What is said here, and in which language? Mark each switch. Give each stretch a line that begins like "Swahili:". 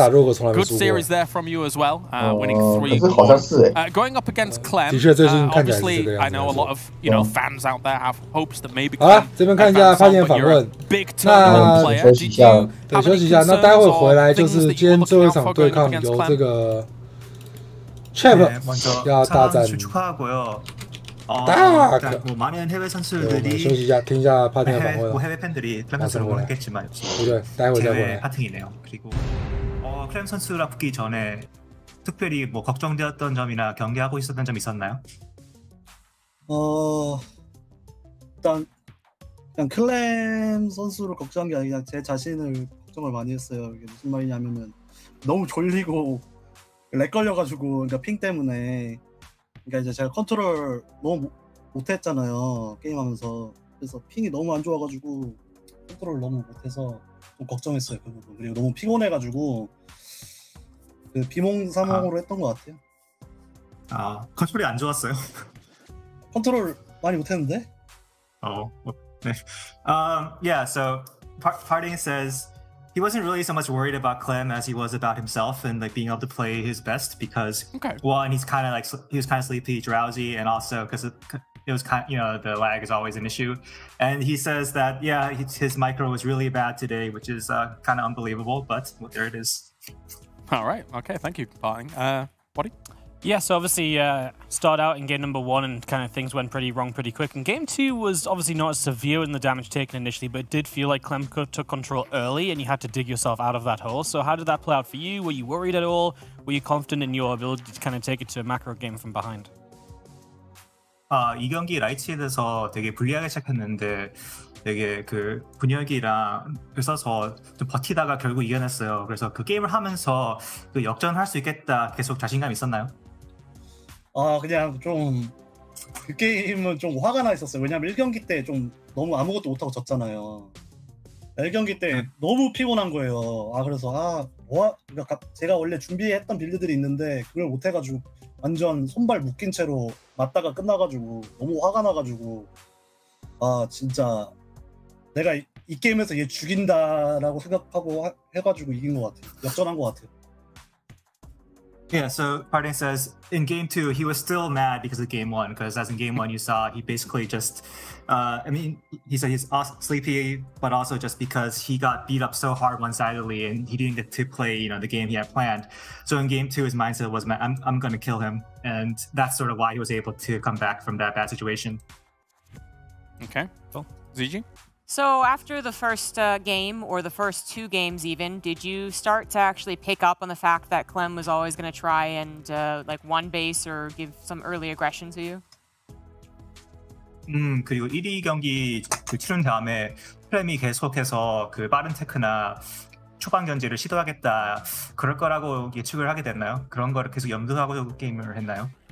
English: Good series there from you as well, winning 3-1. Going up against Clem, obviously, I know a lot of fans out there have hopes that maybe Clem advances, but you're a big tournament player. Did you have any concerns or things that you're looking out for going up against Clem?
Korean: 네, 먼저 사랑스 축하하고요. 딱! 뭐 많은 해외 선수들이 쉬시자, 팅자 파팅을 해외, 뭐 해외 팬들이 클렘 선수를 응원했겠지만 대회 파팅이네요. 그리고 클렘 선수랑 붙기 전에 특별히 뭐 걱정되었던 점이나 경계하고 있었던 점 있었나요? 일단 클렘 선수를 걱정한 게 아니라 제 자신을 걱정을 많이 했어요. 이게 무슨 말이냐면은 너무 졸리고 렉 걸려가지고, 그러니까 핑 때문에, 그러니까 이제 제가 컨트롤 너무 못했잖아요, 게임하면서. 그래서 핑이 너무 안 좋아가지고 컨트롤 너무 못해서 좀 걱정했어요, 그 부분. 그리고 너무 피곤해가지고 그 비몽사몽으로 했던 것 같아요. 아, 컨트롤이 안 좋았어요? 컨트롤 많이 못했는데? 네.
English: Yeah, so Parting says he wasn't really so much worried about Clem as he was about himself and like being able to play his best because one, he's kind of like he was kind of sleepy, drowsy, and also because it was kind of, the lag is always an issue. And he says that his micro was really bad today, which is kind of unbelievable. But well, there it is. All right. Okay. Thank you, Parting. Buddy. Yeah, so obviously, start out in game number one and kind of things went pretty wrong pretty quick. And game two was obviously not as severe in the damage taken initially, but it did feel like Clem took control early and you had to dig yourself out of that hole. So how did that play out for you? Were you worried at all? Were you confident in your ability to kind of take it to a macro game from behind?
Korean: 이 경기 라이츠에 대해서 되게 불리하게 시작했는데 되게 그 분위기랑 있어서 좀 버티다가 결국 이겨냈어요. 그래서 그 게임을 하면서 그 역전할 수 있겠다 계속 자신감 있었나요? 그냥 좀 그 게임은 좀 화가 나 있었어요. 왜냐면 1경기 때 좀 너무 아무것도 못하고 졌잖아요. 1경기 때 너무 피곤한 거예요. 그래서 그러니까 제가 원래 준비했던 빌드들이 있는데 그걸 못해가지고 완전 손발 묶인 채로 맞다가 끝나가지고 너무 화가 나가지고 진짜 내가 이 게임에서 얘 죽인다라고 생각하고 해가지고 이긴 것 같아요. 역전한 것 같아요.
English: Yeah, so Parting says in game two, he was still mad because of game one, because as in game one, you saw he basically just, he said he's sleepy, but also just because he got beat up so hard one-sidedly and he didn't get to play, you know, the game he had planned. So in game two, his mindset was, I'm going to kill him. And that's sort of why he was able to come back from that bad situation. Okay, cool. Zijin? So after the first game, or the first two games even, did you start to actually pick up on the fact that Clem was always going to try and like one base or give some early aggression to you?
Korean: 그리고 1위 경기 치른 다음에 클렘이 계속해서 그 빠른 테크나 초반 견제를 시도하겠다 그럴 거라고 예측을 하게 됐나요? 그런 거를 계속 염두하고 게임을 했나요?